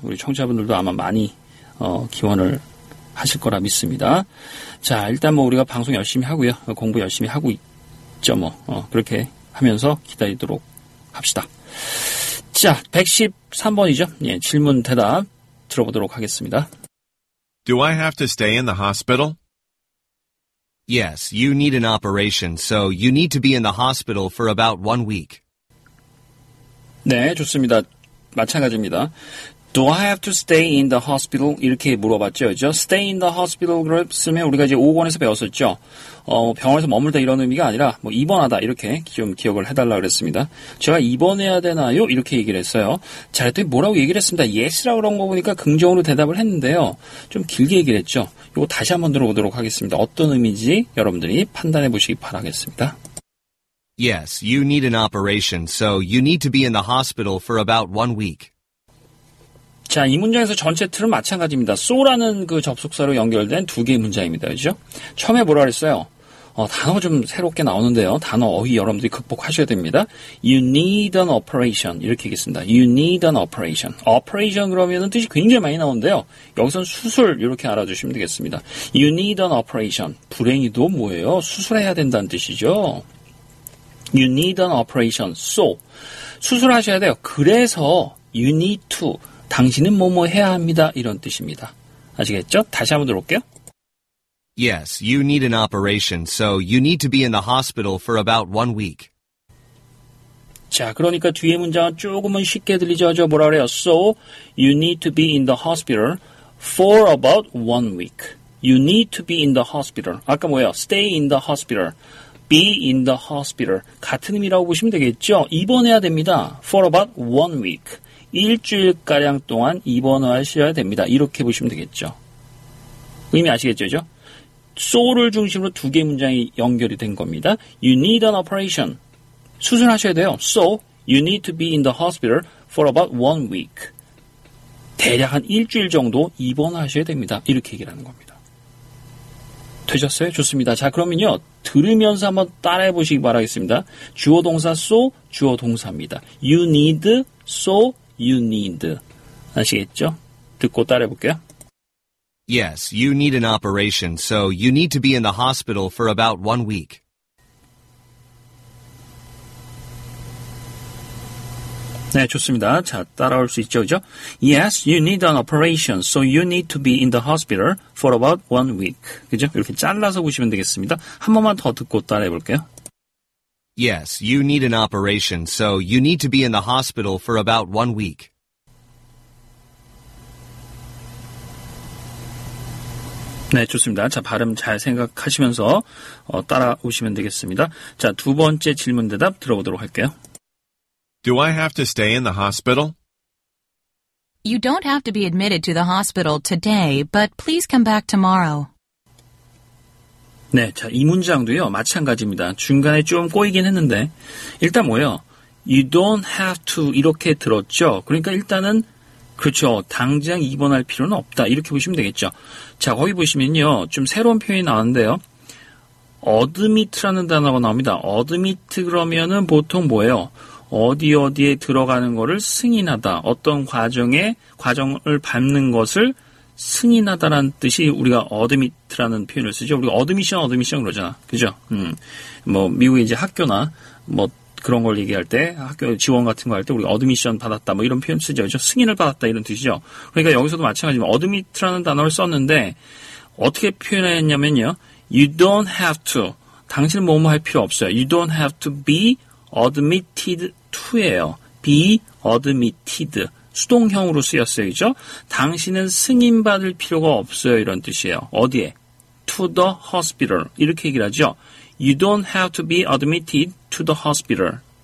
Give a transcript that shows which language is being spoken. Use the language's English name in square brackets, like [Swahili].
[Korean] 우리 청취자분들도 아마 많이 기원을 하실 거라 믿습니다. 자, 일단 뭐 우리가 방송 열심히 하고요. 공부 열심히 하고 있죠, 뭐. 그렇게 하면서 기다리도록 합시다. 자, 113번이죠. 예, 질문 대답 들어보도록 하겠습니다. [English] Do I have to stay in the hospital? Yes, you need an operation, so you need to be in the hospital for about 1 week. [Korean] 네, 좋습니다. 마찬가지입니다. [English] Do I have to stay in the hospital? [Korean] 이렇게 물어봤죠. 그죠? [English] Stay in the hospital [Korean] 을 쓰면 우리가 이제 5권에서 배웠었죠. 병원에서 머물다 이런 의미가 아니라 뭐 입원하다 이렇게 좀 기억을 해달라고 그랬습니다. 제가 입원해야 되나요? 이렇게 얘기를 했어요. 잘했더니 뭐라고 얘기를 했습니다. Yes라고 그런 거 보니까 긍정으로 대답을 했는데요. 좀 길게 얘기를 했죠. 이거 다시 한번 들어보도록 하겠습니다. 어떤 의미인지 여러분들이 판단해 보시기 바라겠습니다. [English] Yes, you need an operation, so you need to be in the hospital for about 1 week. [Korean] 자, 이 문장에서 전체 틀은 마찬가지입니다. So라는 그 접속사로 연결된 두 개의 문장입니다. 그죠? 처음에 뭐라 그랬어요? 단어 좀 새롭게 나오는데요. 단어 어휘 여러분들이 극복하셔야 됩니다. [English] You need an operation. 이렇게 얘기했습니다. You need an operation. [Korean] Operation 그러면은 뜻이 굉장히 많이 나오는데요. 여기서는 수술 이렇게 알아주시면 되겠습니다. [English] You need an operation. [Korean] 불행히도 뭐예요? [English] 수술해야 된다는 뜻이죠. You need an operation. So. [Korean] 수술하셔야 돼요. 그래서 [English] you need to. [Korean] 당신은 뭐뭐 해야 합니다. 이런 뜻입니다. 아시겠죠? 다시 한번 들어볼게요. [English] Yes, you need an operation, so you need to be in the hospital for about 1 week. [Korean] 자, 그러니까 뒤에 문장은 조금은 쉽게 들리죠? 저 뭐라 그래요? [English] So, you need to be in the hospital for about 1 week. You need to be in the hospital. [Korean] 아까 뭐예요? [English] Stay in the hospital. Be in the hospital. [Korean] 같은 의미라고 보시면 되겠죠? 입원해야 됩니다. [English] For about 1 week. [Korean] 일주일가량 동안 입원하셔야 됩니다. 이렇게 보시면 되겠죠? 의미 아시겠죠? 그죠? So를 중심으로 두 개의 문장이 연결이 된 겁니다. [English] You need an operation. [Korean] 수술하셔야 돼요. [English] So, you need to be in the hospital for about 1 week. [Korean] 대략 한 일주일 정도 입원하셔야 됩니다. 이렇게 얘기를 하는 겁니다. 되셨어요? 좋습니다. 자, 그러면요. 들으면서 한번 따라해 보시기 바라겠습니다. 주어 동사 so, 주어 동사입니다. [English] You need, so, you need. [Korean] 아시겠죠? 듣고 따라해 볼게요. [English] Yes, you need an operation, so you need to be in the hospital for about 1 week. [Korean] 네, 좋습니다. 자, 따라올 수 있죠, 그죠? [English] Yes, you need an operation, so you need to be in the hospital for about 1 week. [Korean] 그죠? 이렇게 잘라서 보시면 되겠습니다. 한 번만 더 듣고 따라해 볼게요. [English] Yes, you need an operation, so you need to be in the hospital for about 1 week. [Korean] 네, 좋습니다. 자, 발음 잘 생각하시면서 따라오시면 되겠습니다. 자, 두 번째 질문 대답 들어보도록 할게요. [English] Do I have to stay in the hospital? You don't have to be admitted to the hospital today, but please come back tomorrow. [Korean] 네, 자, 이 문장도요, 마찬가지입니다. 중간에 좀 꼬이긴 했는데, 일단 뭐예요? [English] You don't have to [Korean] 이렇게 들었죠? 그러니까 일단은 그렇죠. 당장 입원할 필요는 없다. 이렇게 보시면 되겠죠. 자, 거기 보시면요. 좀 새로운 표현이 나왔는데요. admit라는 단어가 나옵니다. admit 그러면은 보통 뭐예요? 어디 어디에 들어가는 거를 승인하다. 어떤 과정을 밟는 것을 승인하다라는 뜻이 우리가 admit라는 표현을 쓰죠. 우리가 admission 그러잖아. 그죠? 뭐, 미국에 이제 학교나 뭐, 그런 걸 얘기할 때 학교 지원 같은 거 할 때 우리 어드미션 받았다 뭐 이런 표현 쓰죠. 그렇죠? 승인을 받았다 이런 뜻이죠. 그러니까 여기서도 마찬가지로 어드미트라는 단어를 썼는데 어떻게 표현했냐면요. [English] You don't have to. [Korean] 당신은 뭐뭐 할 필요 없어요. [English] You don't have to be admitted to예요. Be admitted. [Korean] 수동형으로 쓰였어요. 그렇죠? 당신은 승인받을 필요가 없어요. 이런 뜻이에요. 어디에? [English] To the hospital. [Korean] 이렇게 얘기를 하죠. [English] You don't have to be admitted to the hospital.